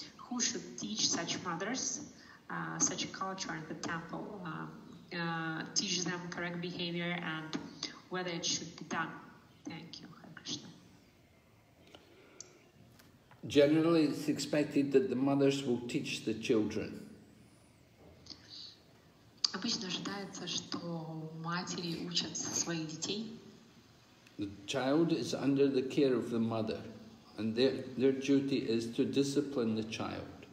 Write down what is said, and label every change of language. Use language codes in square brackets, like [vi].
[en] Who should teach such mothers, such a culture in the temple, teach them correct behavior and whether it should be done? Thank you, Hare Krishna. Generally, it's expected that the mothers will teach the children. [ru] Обычно ожидается, что матери учат своих детей. [en] The child is under the care of the mother, and their duty is to discipline the child.